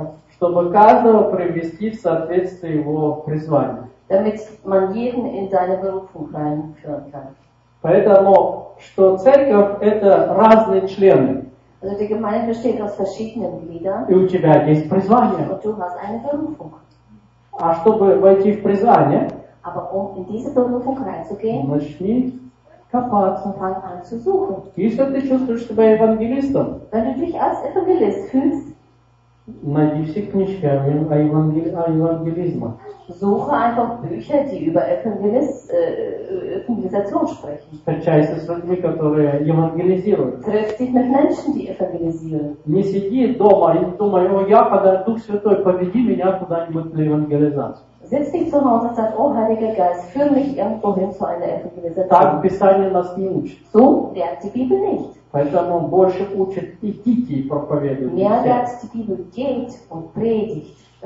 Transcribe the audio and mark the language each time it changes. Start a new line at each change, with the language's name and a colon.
Russian: чтобы каждого привести в соответствие его призванию.
German: Damit man jeden in seine Berufung reinführen kann.
Russian: Поэтому, что церковь это разные члены.
German: Also die Gemeinde besteht aus verschiedenen Gliedern.
Russian: И у тебя есть призвание.
German: Und du hast eine Berufung.
Russian: А чтобы войти в призвание,
German: aber um in diese Berufung reinzugehen,
Russian: начни копаться.
German: Fang an zu suchen.
Russian: Если ты чувствуешь себя евангелистом,
German: wenn du dich als Evangelist fühlst,
Russian: найди все книжки о евангелизме.
German: Suche einfach Bücher, die über Evangelisation sprechen.
Russian: Встречайся с людьми, которые евангелизируют.
German: Treff dich mit Menschen, die evangelisieren.
Russian: Не сиди дома и думай, о, я когда Дух Святой поведи меня куда-нибудь на евангелизацию.
German: Setz dich zu Hause und sag, о, Heiliger Geist, führ mich irgendwo hin zu einer Evangelisation.
Russian: Так Писание нас не учит.
German: So lehrt die Bibel nicht.
Russian: Поэтому больше учит идите и проповедуйте.
German: Mehr lehrt die Bibel, geht und predigt.